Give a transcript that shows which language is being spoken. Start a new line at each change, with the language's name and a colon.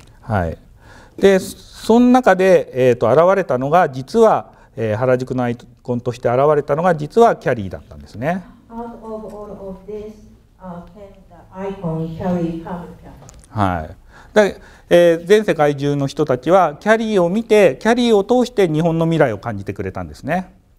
Japanese: はい、でその中で、現れたのが実は、原宿のアイコンとして現れたのが実はキャリーだったんですね。
English: Out of all of this, came the icon Carrie Carpenter.
Japanese: はい、で全世界中の人たちはキャリーを見て、キャリーを通して日本の未来を感じてくれたんですね。